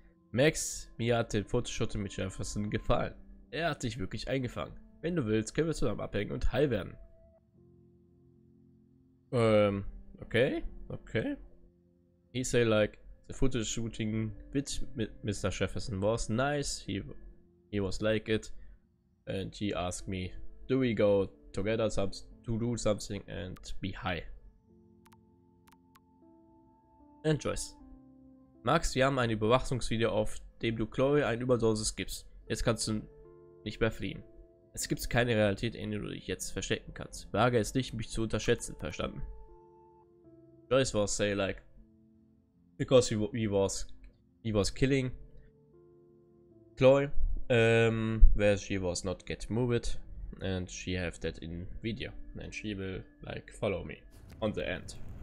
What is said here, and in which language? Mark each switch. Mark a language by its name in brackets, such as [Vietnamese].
[German] Max, mir hat der Photoshop mit Jefferson gefallen. Er hat dich wirklich eingefangen. Wenn du willst, können wir zusammen abhängen und heil werden. Okay. [English] He say like, the footage shooting with Mr. Jefferson was nice. He was like it. And he asked me, do we go together to do something and be high? And Joyce. [German] Max, wir haben ein Überwachungsvideo, auf dem du Chloe eine Überdosis gibst. Jetzt kannst du nicht mehr fliehen. Es gibt keine Realität, in der du dich jetzt verstecken kannst. Wage es nicht, mich zu unterschätzen, verstanden? [English] Joyce was say like, because he was killing Chloe, where she was not get moved, and she have that in video, and she will like follow me on the end.